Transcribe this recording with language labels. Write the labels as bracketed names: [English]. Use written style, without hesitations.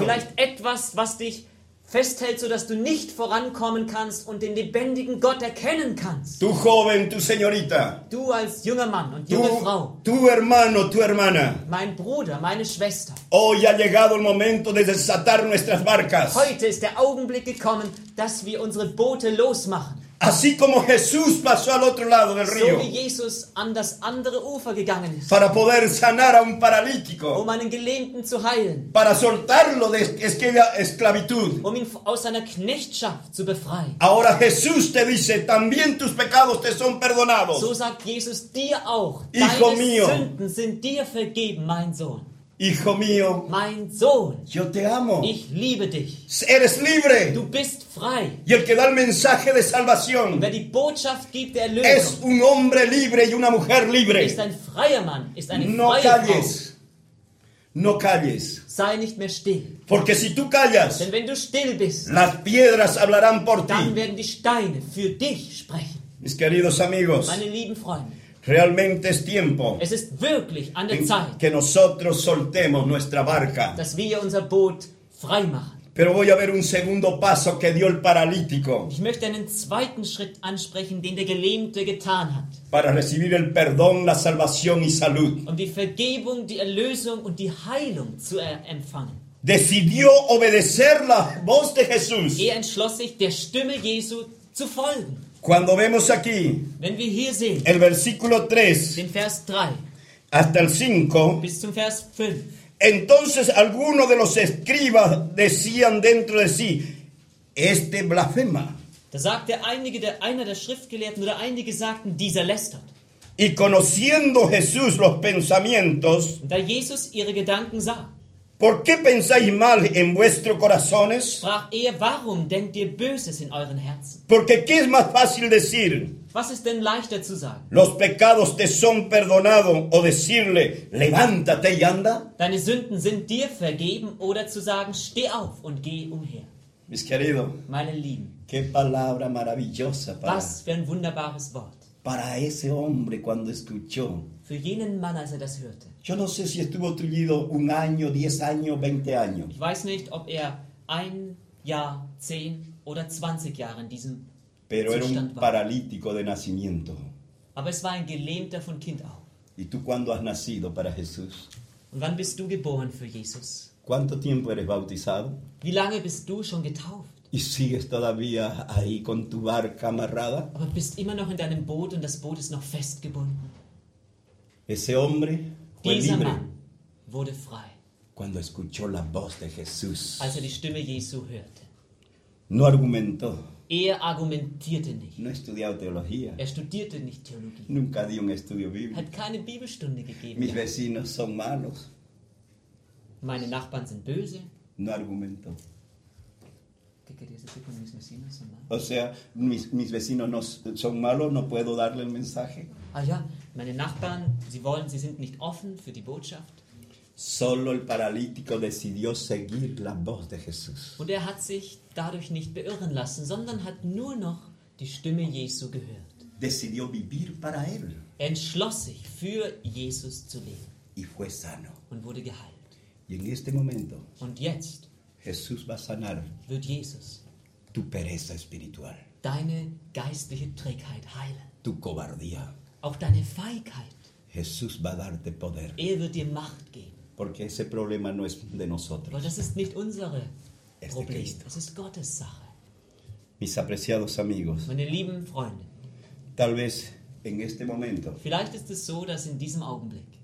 [German] Vielleicht etwas, was dich festhält, so dass du nicht vorankommen kannst und den lebendigen Gott erkennen kannst. [Spanish] Du joven, tu señorita. [German] Du als junger Mann und junge Frau. [Spanish] Tu hermano, tu hermana. [German] Mein Bruder, meine Schwester. [Spanish] Hoy ha llegado el momento de desatar nuestras barcas. [German] Heute ist der Augenblick gekommen, dass wir unsere Boote losmachen. [Spanish] Así como Jesús pasó al otro lado del río. [German] So wie Jesus an das andere Ufer gegangen ist. [Spanish] Para poder sanar a un paralítico. [German] Um einen Gelähmten zu heilen. [Spanish] Para soltarlo de aquella esclavitud. [German] Um ihn aus seiner Knechtschaft zu befreien. [Spanish] Ahora Jesús te dice, también tus pecados te son perdonados. [German] So sagt Jesus dir auch, [Spanish] hijo [German] deine [Spanish] mio, [German] Sünden sind dir vergeben, mein Sohn. [Spanish] Hijo mío, [German] mein Sohn, [Spanish] yo te amo. [German] Ich liebe dich. [Spanish] Eres libre. [German] Du bist frei. [Spanish] Y el que da el mensaje de salvación, [German] und wer die Botschaft gibt der Erlösung, [Spanish] es un hombre libre y una mujer libre. [German] Ist ein freier Mann, ist eine [Spanish] no [German] freie [Spanish] calles. [German] Frau. [Spanish] No calles. [German] Sei nicht mehr still. [Spanish] Porque si tú callas, [German] denn wenn du still bist, [Spanish] las piedras hablarán por ti. [German] Dann werden die Steine für dich sprechen. [Spanish] Mis queridos amigos, [German] meine lieben Freunde. [Spanish] Realmente es tiempo. [German] Es ist wirklich an der Zeit. [Spanish] Que nosotros soltemos nuestra barca. [German] Dass wir unser Boot frei machen. [Spanish] Pero voy a ver un segundo paso que dio el paralítico. [German] Ich möchte einen zweiten Schritt ansprechen, den der Gelähmte getan hat. [Spanish] Para recibir el perdón, la salvación y salud. [German] Um die Vergebung, die Erlösung und die Heilung zu empfangen. [Spanish] Decidió obedecer la voz de Jesús. [German] Er entschloss sich, der Stimme Jesu zu folgen. [Spanish] Cuando vemos aquí, [German] wenn wir hier sehen, [Spanish] el versículo 3, [German] den Vers 3 [Spanish] hasta el 5, [German] bis zum Vers 5, [Spanish] entonces algunos de los escribas decían dentro de sí, este blasfema. [German] Da sagte einer der Schriftgelehrten oder einige sagten, dieser lästert. [Spanish] Y conociendo Jesús los pensamientos, [German] da Jesus ihre Gedanken sah, [Spanish] ¿por qué pensáis mal en vuestros corazones? [German] Sprach er, warum denkt ihr Böses in euren Herzen? [Spanish] Porque ¿qué es más fácil decir? [German] Was ist denn leichter zu sagen? [Spanish] Los pecados te son perdonados, o decirle, levántate y anda. [German] Deine Sünden sind dir vergeben, oder zu sagen, steh auf und geh umher. [Spanish] Mis querido, [German] meine Lieben, [Spanish] qué palabra maravillosa para, [German] was für ein wunderbares Wort. [Spanish] Para ese hombre cuando escuchó. [German] Für jenen Mann, als er das hörte. [Spanish] Yo no sé si estuvo tullido un año, 10 años, 20 años. [German] Ich weiß nicht, ob er ein Jahr, 10 oder 20 Jahre in diesem [Spanish] pero [German] Zustand [Spanish] era un [German] war. [Spanish] Paralítico de nacimiento. [German] Aber es war ein Gelähmter von Kind auf. [Spanish] ¿Y tú cuándo has nacido para Jesús? [German] Und wann bist du geboren für Jesus? [Spanish] ¿Cuánto tiempo eres bautizado? [German] Wie lange bist du schon getauft? [Spanish] ¿Y sigues todavía ahí con tu barca amarrada? [German] Aber bist immer noch in deinem Boot und das Boot ist noch festgebunden. [Spanish] Ese hombre [German] dieser Mann wurde frei. [Spanish] Cuando escuchó la voz de Jesús. [German] Als er die Stimme Jesu hörte. [Spanish] No argumentó. [German] Er argumentierte nicht. [Spanish] No estudió teología. [German] Er studierte nicht Theologie. [Spanish] Nunca dio un estudio bíblico. [German] Hat keine Bibelstunde gegeben. [Spanish] Mis vecinos son malos. [German] Meine Nachbarn sind böse. [Spanish] No argumentó. ¿Qué querías decir con mis vecinos son malos? O sea, mis vecinos no son malos, no puedo darle el mensaje. Ah ja. [German] Meine Nachbarn, sie sind nicht offen für die Botschaft. [Spanish] Solo el paralítico decidió seguir la voz de Jesús. [German] Und er hat sich dadurch nicht beirren lassen, sondern hat nur noch die Stimme Jesu gehört. [Spanish] Decidió vivir para él. [German] Entschloss sich, für Jesus zu leben. [Spanish] Y fue sano. [German] Und wurde geheilt. [Spanish] Y en este momento, [German] und jetzt [Spanish] Jesús va a sanar [German] wird Jesus [Spanish] tu pereza espiritual. [German] Deine geistliche Trägheit heilen. [Spanish] Tu cobardía. [German] Auch deine Feigheit. [Spanish] Jesús va a darte poder. [German] Er wird dir Macht geben. [Spanish] Porque ese problema no es de nosotros. [German] Weil das ist nicht unsere Problem. Cristo. Das ist Gottes Sache. [Spanish] Mis apreciados amigos. [German] Meine lieben Freunde. [Spanish] Tal vez en este momento. [German] Vielleicht ist es so, dass in diesem Augenblick.